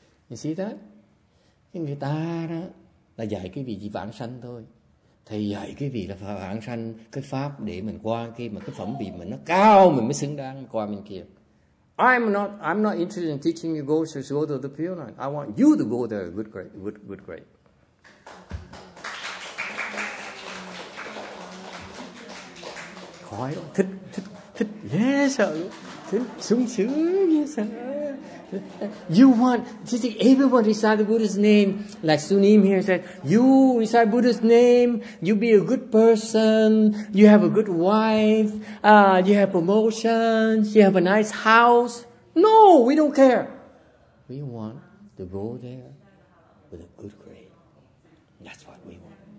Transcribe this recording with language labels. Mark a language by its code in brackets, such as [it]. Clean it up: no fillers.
[en] You see that? [vi] Cái người ta đó là dạy cái vị gì vãng sanh thôi. Thầy dạy cái vị là vãng sanh, cái pháp để mình qua cái mà cái phẩm vị mình nó cao, mình mới xứng đáng qua bên kia. [en] I'm not interested in teaching you go to the Pure Land. I want you to go there good grade. [vi] Khói lắm, thích, dễ sợ luôn, sung sướng, dễ sợ. [en] Everyone recite the Buddha's name, like Sunim here said, you recite Buddha's name, you be a good person, you have a good wife, you have promotions, you have a nice house. No, we don't care. We want to go there with a good grade. That's what we want.